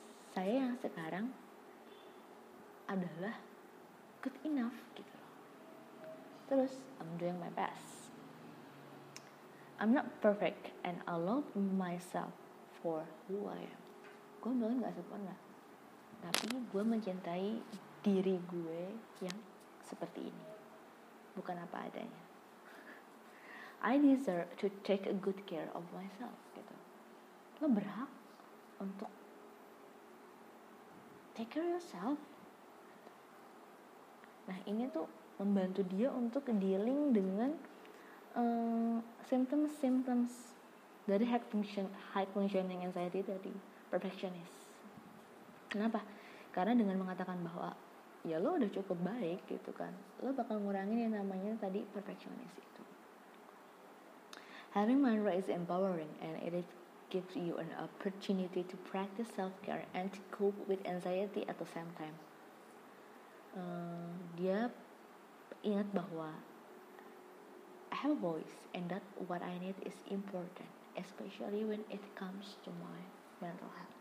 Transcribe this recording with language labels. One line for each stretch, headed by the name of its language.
Indonesian: Saya yang sekarang adalah
English: good enough
Indonesian: gitu. Terus
English: I'm doing my best, I'm not perfect and I love myself for who I am.
Indonesian: Gue bilang gak sempurna, tapi gue mencintai diri gue yang seperti ini, bukan apa adanya.
English: I deserve to take a good care of myself, gitu.
Indonesian: Lo berhak untuk
English: take care of yourself.
Indonesian: Nah, ini tuh membantu dia untuk dealing dengan symptoms dari high functioning anxiety tadi, perfectionist. Kenapa? Karena dengan mengatakan bahwa ya lo udah cukup baik gitu kan, lo bakal ngurangin yang namanya tadi perfectionist itu.
English: Having mantra is empowering and it gives you an opportunity to practice self-care and to cope with anxiety at the same time.
Indonesian: Dia ingat bahwa
English: I have a voice and that what I need is important, especially when it comes to my mental health.